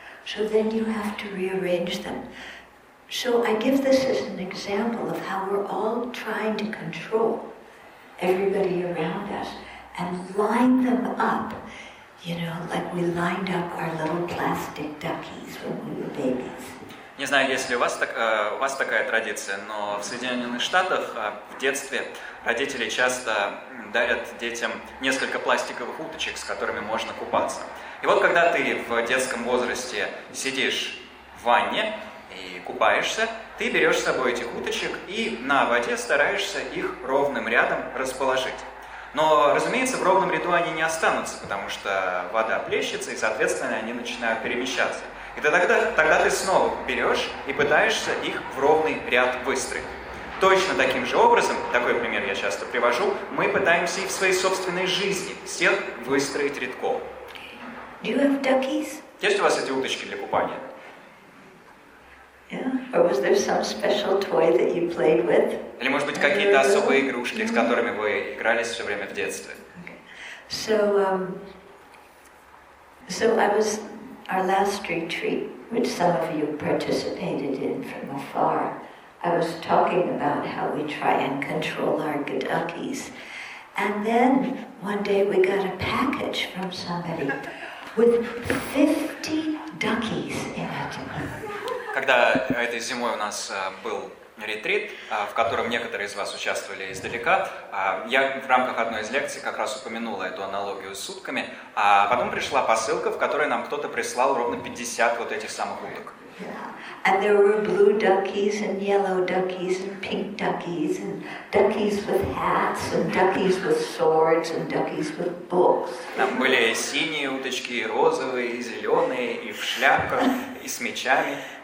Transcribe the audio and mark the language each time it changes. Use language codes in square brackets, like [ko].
[en] So then you have to rearrange them. So I give this as an example of how we're all trying to control everybody around us and line them up. You know, like we lined up our little plastic duckies when we were babies. [ru] Не знаю, есть ли у вас такая традиция, но в Соединенных Штатах в детстве родители часто дарят детям несколько пластиковых уточек, с которыми можно купаться. И вот когда ты в детском возрасте сидишь в ванне и купаешься, ты берешь с собой этих уточек и на воде стараешься их ровным рядом расположить. Но, разумеется, в ровном ряду они не останутся, потому что вода плещется, и, соответственно, они начинают перемещаться. И тогда ты снова берешь и пытаешься их в ровный ряд выстроить. Точно таким же образом, такой пример я часто привожу, мы пытаемся их в своей собственной жизни всех выстроить рядком. [en] Do you have duckies? [ru] Есть у вас эти уточки для купания? [en] Yeah. Or was there some special toy that you played with? [ru] Или, может быть, какие-то особые игрушки, с которыми вы игрались все время в детстве? [en] Okay. So I was our last retreat, which some of you participated in from afar. I was talking about how we try and control our duckies, and then one day we got a package from somebody with 50 duckies in it. [ru] Когда этой зимой у нас был ретрит, в котором некоторые из вас участвовали издалека. Я в рамках одной из лекций как раз упомянула эту аналогию с утками, а потом пришла посылка, в которой нам кто-то прислал ровно 50 вот этих самых уток. [en] And there were blue duckies and yellow duckies and pink duckies and duckies with hats and duckies with swords and duckies with books. [ru] Там были синие уточки, и розовые, и зеленые, и в шляпках, и с мечами.